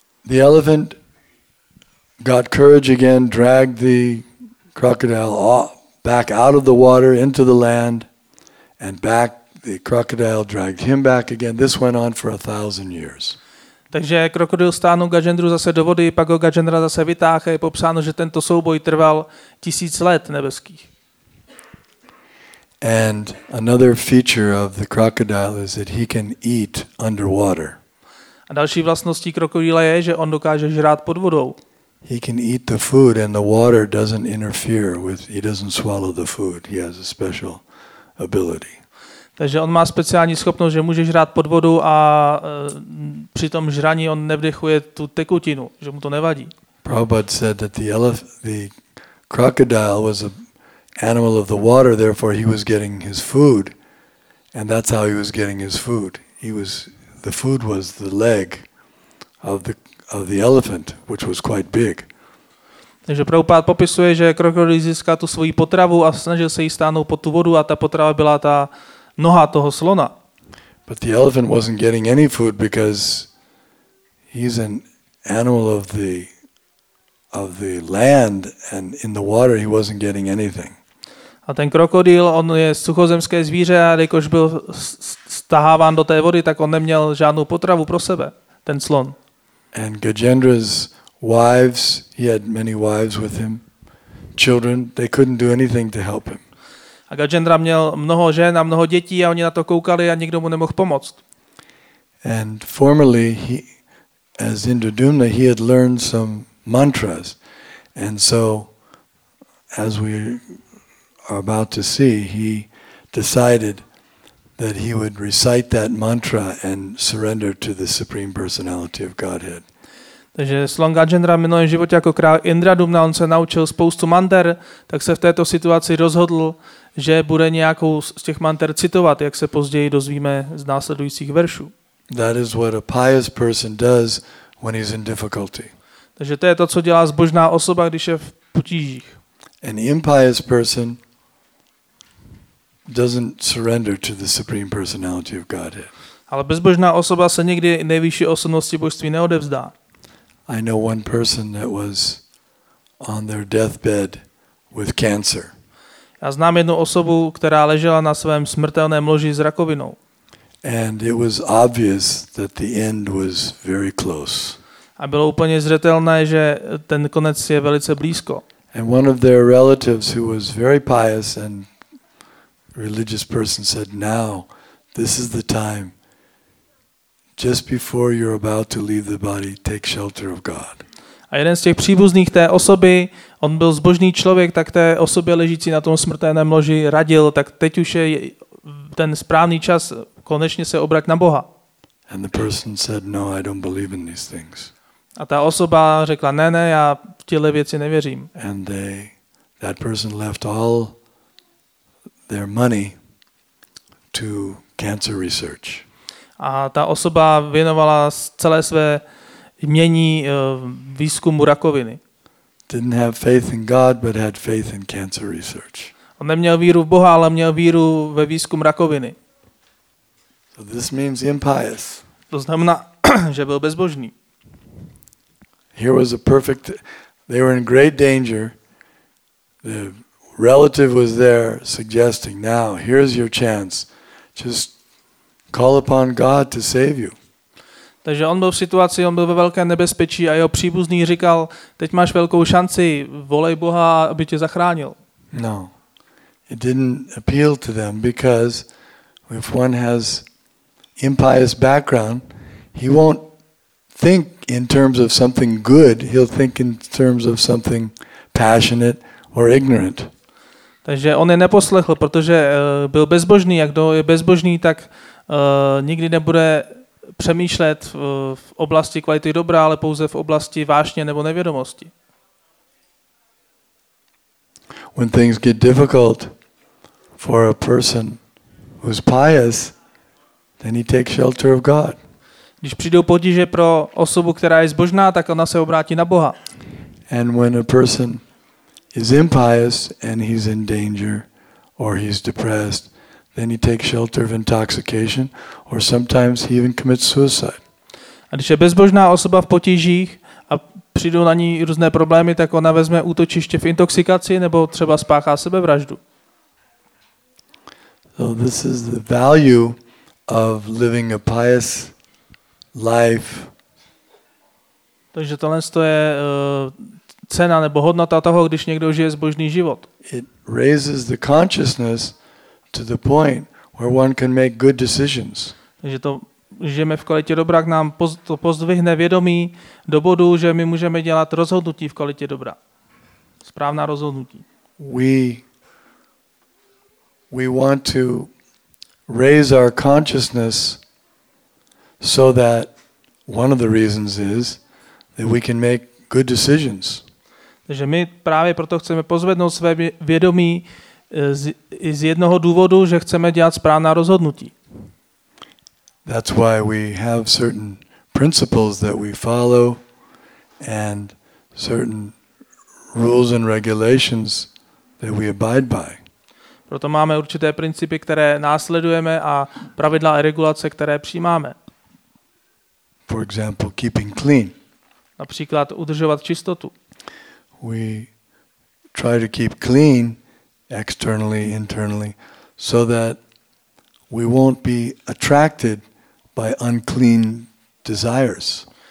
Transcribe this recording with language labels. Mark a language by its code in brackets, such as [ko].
[en] The elephant got courage again, dragged the crocodile off, back out of the water into the land, and back the crocodile dragged him back again. This went on for 1,000 years. [cs] Takže krokodil stáhnul Gajendru zase do vody, pak ho Gajendra zase vytáhl a je popsáno, že tento souboj trval 1,000 let nebeských. [en] And another feature of the crocodile is that he can eat underwater. [cs] A další vlastností krokodýla je, že on dokáže žrát pod vodou. [en] He can eat the food and the water doesn't interfere with, he doesn't swallow the food. He has a special ability. [cs] Takže on má speciální schopnost, že může žrát pod vodu a při tom žraní on nevdechuje tu tekutinu, že mu to nevadí. [en] Prabhupada said that the crocodile was an animal of the water, therefore he was getting his food, and that's how he was getting his food. The food was the leg of the elephant, which was quite big. [cs] Takže Prabhupada popisuje, že krokodýl získal tu svoji potravu a snažil se jí stáhnout pod tu vodu a ta potrava byla ta noha toho slona. [en] But the elephant wasn't getting any food because he's an animal of the land and in the water he wasn't getting anything. [cs] A ten krokodýl, on je suchozemské zvíře a jakož byl staháván do té vody, tak on neměl žádnou potravu pro sebe, ten slon. [en] And Gajendra's wives, he had many wives with him, children, they couldn't do anything to help him. [cs] A Gajendra měl mnoho žen a mnoho dětí a oni na to koukali a nikdo mu nemohl pomoct. [en] And formerly, he, as Indradumna, he had learned some mantras. And so, as we are about to see, he decided that he would recite that mantra and surrender to the Supreme Personality of Godhead. [cs] Takže slon Gajendra v minulém životě jako král Indradumna, on se naučil spoustu manter, tak se v této situaci rozhodl, že bude nějakou z těch manter citovat, jak se později dozvíme z následujících veršů. [en] That is what a pious person does when he's in difficulty. [cs] Takže to je to, co dělá zbožná osoba, když je v potížích. [en] An impious person doesn't surrender to the Supreme Personality of Godhead. [cs] Ale bezbožná osoba se nikdy nejvyšší osobnosti božství neodevzdá. [en] I know one person that was on their deathbed with cancer. [cs] Já znám jednu osobu, která ležela na svém smrtelném loži s rakovinou. [en] And it was obvious that the end was very close. [cs] A bylo úplně zřetelné, že ten konec je velice blízko. [en] And one of their relatives who was very pious and religious person said, "Now, this is the time. Just before you're about to leave the body, take shelter of God." [cs] A jeden z těch příbuzných té osoby, on byl zbožný člověk, tak té osobě ležící na tom smrtelném loži radil, tak teď už je ten správný čas konečně se obrať na Boha. [en] And the person said, "No, I don't believe in these things." [cs] A ta osoba řekla, ne, já v těhle věci nevěřím. [en] And that person left all their money to cancer research. [cs] A ta osoba věnovala celé své jmění výzkumu rakoviny. [en] Didn't have faith in God, but had faith in cancer research. [cs] On neměl víru v Boha, ale měl víru ve výzkum rakoviny. [en] So this means impious. [cs] To znamená, že byl bezbožný. [en] Here was a perfect, they were in great danger. The relative was there suggesting, "Now, here's your chance. Just call upon God to save you." [cs] Takže on byl v situaci, on byl ve velké nebezpečí a jeho příbuzný říkal, teď máš velkou šanci, volej Boha, aby tě zachránil. [en] No, it didn't appeal to them because if one has impious background, he won't think in terms of something good, he'll think in terms of something passionate or ignorant. [cs] Takže on je neposlechl, protože byl bezbožný. A kdo je bezbožný, tak nikdy nebude přemýšlet v oblasti kvality dobra, ale pouze v oblasti vášně nebo nevědomosti. [en] When things get difficult for a person who's pious, then he takes shelter of God. [cs] Když přijdou potíže pro osobu, která je zbožná, tak ona se obrátí na Boha. [en] And when a person is impious and he's in danger or he's depressed, then he takes shelter of intoxication or sometimes he even commits suicide. [cs] A když je bezbožná osoba v potížích, přijdou na ní různé problémy, tak ona vezme útočiště v intoxikaci nebo třeba spáchá sebevraždu. [en] So this is the value of living a pious life. [cs] Takže tohle je cena nebo hodnota toho, když někdo žije zbožný život. [en] It raises the consciousness to the point where one can make good decisions. [cs] Takže to žijeme v kvalitě dobra, nám to pozdvihne vědomí do bodu, že my můžeme dělat rozhodnutí v kvalitě dobra. Správná rozhodnutí. [en] We want to raise our consciousness so that one of the reasons is that we can make good decisions. [cs] Takže my právě proto chceme pozvednout své vědomí z jednoho důvodu, že chceme dělat správná rozhodnutí. [en] That's why we have certain principles that we follow and certain rules and regulations that we abide by. [cs] Proto máme určité principy, které následujeme a pravidla a regulace, které přijímáme. [en] For example, keeping clean. [cs] Například udržovat čistotu. [en] We try to keep clean externally, internally, so that we won't be attracted by unclean desires.